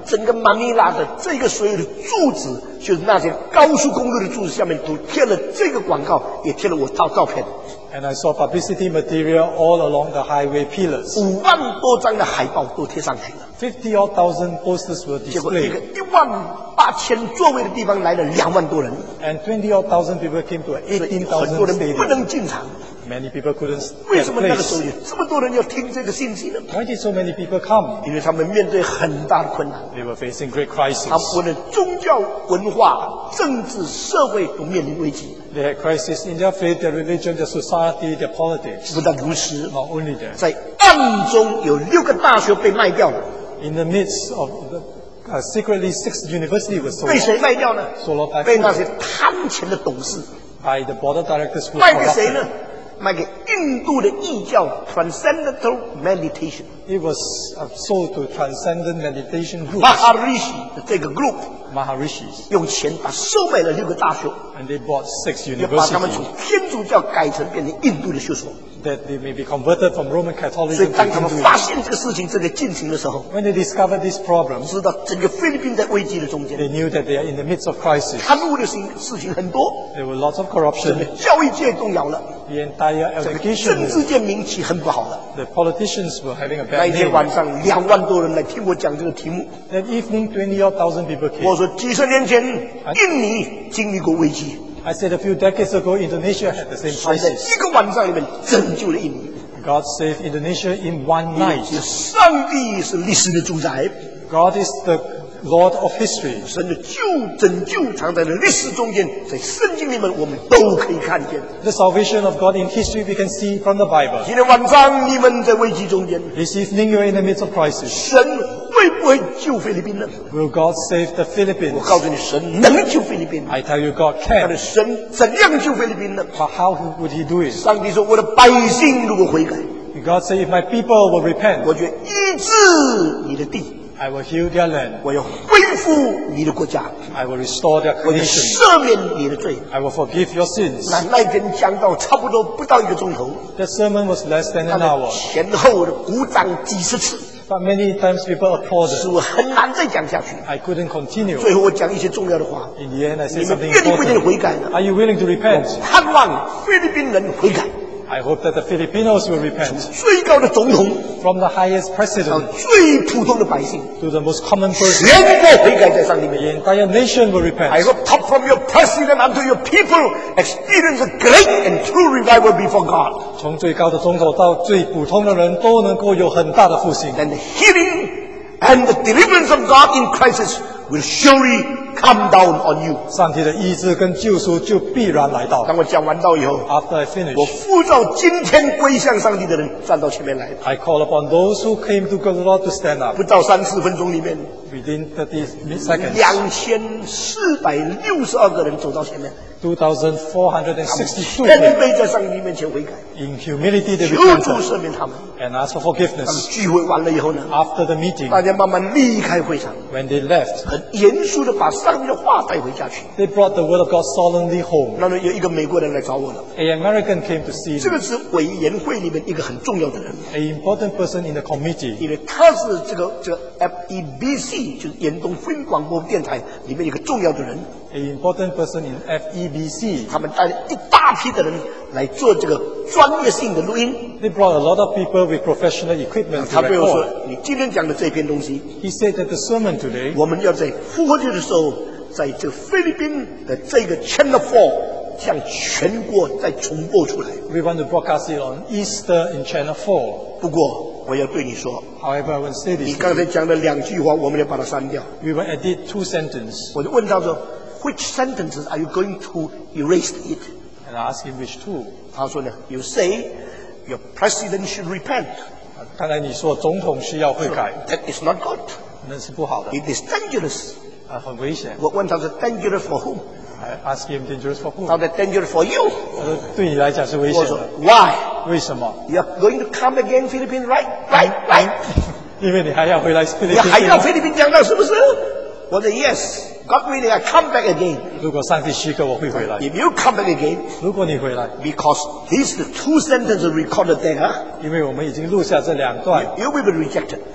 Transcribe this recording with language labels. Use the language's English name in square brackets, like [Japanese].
[Chinese] 整个 Manila 的这个所有的柱子，就是那些高速公路的柱子下面都贴了这个广告，也贴了我照照片。 [English] And I saw publicity material all along the highway pillars. [Chinese] 五万多张的海报都贴上去了。 [English] 50,000 posters were displayed. [Chinese] 结果一个18,000座位的地方来了两万多人。 [English] And 20,000 people came to 18,000 stadium. [Chinese] 很多人不能进场。 [English] Many people couldn't stand. [Chinese] 为什么那个时候有这么多人要听这个信息呢 [English] ？Why did so many people come? [Chinese] 因为他们面对很大的困难。 [English] They were facing great crisis. [Chinese] 他们的宗教、文化、政治、社会都面临危机。 [English] They had crisis in their faith, their religion, their society, their politics. [Chinese] 不但如此 [English] ，Not only that. [Chinese] 在暗中有六个大学被卖掉了。 [English] In the midst of the secretly six universities were sold. [Chinese] 被谁卖掉呢 [English] ？Sold by [Chinese] 被那些贪钱的董事。 [English] By the board of directors. [Chinese] 卖给谁呢？卖给印度的异教 Transcendental Meditation [English] It was sold to Transcendent Meditation Group [Chinese] Maharishi 的这个 group [English] Maharishi [Chinese] 用钱把收买了六个大学 [English] And they bought six universities [Chinese] 把他们从天主教改成变成印度的学所 [English] That they may be converted from Roman Catholic [Chinese] 所以当他们发现这个事情正在进行的时候 [English] When they discovered this problem [Chinese] 知道整个菲律宾在危机的中间 [English] They knew that they are in the midst of crisis [Chinese] 贪污的事情很多 [English] There were lots of corruption [Chinese] 整个教育界动摇了 [English] The entire education. [Chinese] 政治界名气很不好的。 [English] The politicians were having a bad name. [Chinese] 那一天晚上，两万多人来听我讲这个题目。 [English] That evening, 20,000 people came. [Chinese] 我说几十年前，印尼经历过危机。 [English] I said a few decades ago, Indonesia had the same crisis. [Chinese] 神在一个晚上里面拯救了印尼。 [English] God saved Indonesia in one night. [Chinese] 上帝是历史的主宰。 [English] God is the Lord of history. [Chinese] 神的拯救藏在历史中间，在圣经里面我们都可以看见。 [English] The salvation of God in history we can see from the Bible. [Chinese] 今天晚上你们在危机中间。 [English] This evening you are in the midst of crisis. [Chinese] 神会不会救菲律宾呢 [English] ？Will God save the Philippines? [Chinese] 我告诉你，神能救菲律宾。 [English] I tell you, God can. [Chinese] 但是神怎样救菲律宾呢 [English] ？But how would He do it? [Chinese] 上帝说，我的百姓如果悔改。 [English] God said, if my people will repent, [Chinese] 我就医治你的地。 [English] I will heal their land. [Chinese] 我要恢复你的国家。 [English] I will restore their condition. [Chinese] 我赦免你的罪。 [English] I will forgive your sins. [Chinese] 那天讲到差不多不到一个钟头。 [English] The sermon was less than an hour. [Chinese] 前后的鼓掌几十次。 [English] But many times people applauded. [Chinese] 使我很难再讲下去。 [English] I couldn't continue. [Chinese] 最后我讲一些重要的话。 [English] In the end, I said something important. [Chinese] 你们愿意不愿意悔改呢？ [English] Are you willing to repent? [Chinese] 我盼望菲律宾人悔改。 [English] I hope that the Filipinos will repent. [Chinese] 最高的总统 [English] from the highest president, [Chinese] 最普通的百姓 [English] to the most common person, [Chinese] 全部悔改在上帝面前 [English] the entire nation will repent. I hope top from your president unto your people experience a great and true revival before God. [Chinese] 从最高的总统到最普通的人都能够有很大的复兴 [English] and the healing and the deliverance of God in crisis will surely come down on you. [Chinese] 上帝的医治跟救赎就必然来到。当我讲完道以后 [English] ，After I finish， [Chinese] 我呼召今天归向上帝的人站到前面来。 [English] I call upon those who came to God to stand up。 [Chinese] 不到三四分钟里面 [English] ，Within 30 seconds， [Chinese] 2462个人走到前面。 [English] 2,462 [Chinese] 人谦卑在上帝面前悔改。 [English] In humility, they repented. [Chinese] 求主赦免他们。 [English] And ask for forgiveness. [Chinese] 他们聚会完了以后呢 [English] ？After the meeting, [Chinese] 大家慢慢离开会场。 [English] When they left, [Chinese] 很严肃的把上帝的话带回家去。 [English] They brought the word of God solemnly home. [Chinese] 那有一个美国人来找我了。 [English] An American came to see me. [Chinese] 这个是委员会里面一个很重要的人。 [English] An important person in the committee. [Chinese] 因为他是这个 FEBC 就是远东福音广播电台里面一个重要的人。 [English] An important person in FEBC. [Chinese] 他们带了一大批的人来做这个专业性的录音。 [English] They brought a lot of people with professional equipment to record. [Chinese] 他比如说，你今天讲的这篇东西。 [English] He said that the sermon today. [Chinese] 我们要在复活节的时候，在这个菲律宾的这个 Channel 4向全国再重播出来。 [English] We want to broadcast it on Easter in Channel 4. [Chinese] 不过。我要对你说 [English] However, I will say this [Chinese] 你刚才讲的两句话我们要把它删掉 [English] We will edit two sentences [Chinese] 我就问他说 [English] Which sentences are you going to erase it? And I ask him which two [Chinese] 他说呢 [English] You say your president should repent [Chinese] 刚才你说总统需要悔改 [English] That is not good [Chinese] 那是不好的 [English] It is dangerous [Chinese] 很危险我问他说 [English] dangerous for whom? I ask him dangerous for whom? [Chinese] 他说 [English] dangerous for you [Chinese] 他说对你来讲是危险的我说 [English] Why? [Chinese] 为什么 [English] You are going to come again Philippines right [Chinese] 因为你还要回来菲律宾你还要菲律宾讲到是不是我说 [English] yes God willing I come back again [Chinese] 如果上帝许可我会回来 [English] If you come back again [Chinese] 如果你回来 [English] Because these the two sentences recorded there [Chinese] 因为我们已经录下这两段 [English] You will be rejected